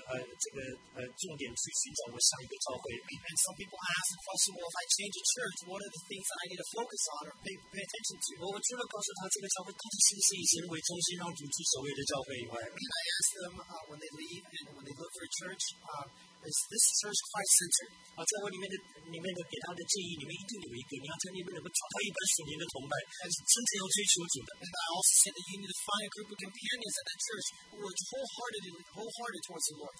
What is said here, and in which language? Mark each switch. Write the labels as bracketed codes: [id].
[zh] 有人跟我说，我换教会应该有哪几个重点去寻找我上一个教会？ [en] And some people ask, "Possible if I change a church, what are the things that I need to focus on or pay attention to?" [zh] 我除了告诉他这个教会到底是不是以神为中心，让主去守卫的教会以外， [en] And I ask them when they leave and when they look for a church, is this church Christ-centered? [zh] 在我里面的给他的建议里面，一定有一个，你要在里面能够找到一班属灵的同伴，甚至要追求主的。 [en] And I also said that you need to find a group of companions at the church who are wholehearted towards the Lord.